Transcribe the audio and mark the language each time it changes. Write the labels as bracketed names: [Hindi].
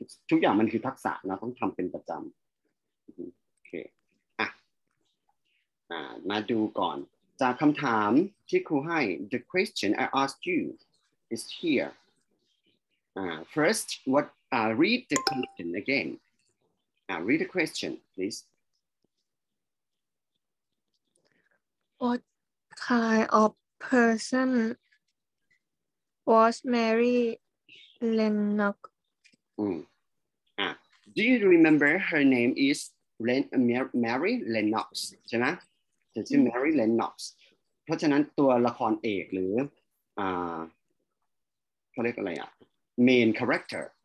[Thai] ทุกอย่างมันคือทักษะนะต้องทำเป็นประจำโอเคอ่ะมาดูก่อนจากคำถามที่ครูให้ [English] the question I asked you is here first whatread the question again. Read the question, please. What kind of person was Mary Lennox? Do you remember her name is Mary Lennox? [Thai] ใช่ไหม? ชื่อ Mary Lennox. เพราะฉะนั้นตัวละครเอกหรือเขาเรียกอะไรอ่ะ [English] Main character.